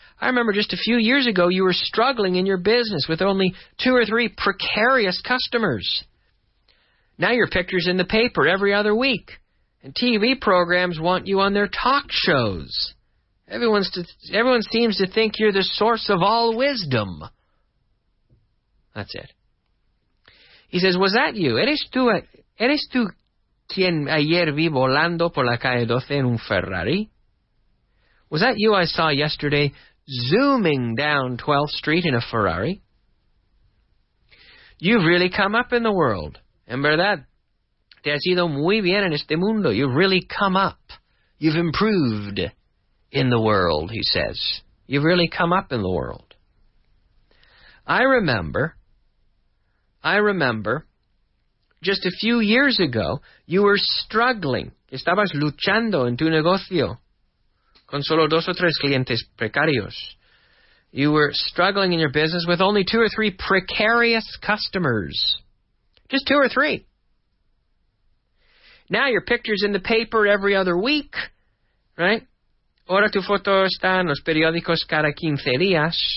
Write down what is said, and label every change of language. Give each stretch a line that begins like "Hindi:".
English: I remember just a few years ago, you were struggling in your business with only two or three precarious customers. Now your picture's in the paper every other week, and TV programs want you on their talk shows. Everyone seems to think you're the source of all wisdom. That's it. He says, was that you?
Spanish: ¿Eres tú quien ayer vi volando por la calle 12 en un Ferrari?
English: Was that you I saw yesterday zooming down 12th Street in a Ferrari? You've really come up in the world.
Spanish: En verdad, te has ido muy bien en este mundo.
English: You've really come up. You've improved in the world, he says. You've really come up in the world. I remember, just a few years ago, you were struggling.
Spanish: Estabas luchando en tu negocio. Con solo dos o tres clientes precarios.
English: You were struggling in your business with only two or three precarious customers. Just two or three. Now your picture's in the paper every other week, right?
Spanish: Ahora tu foto está en los periódicos cada 15 días.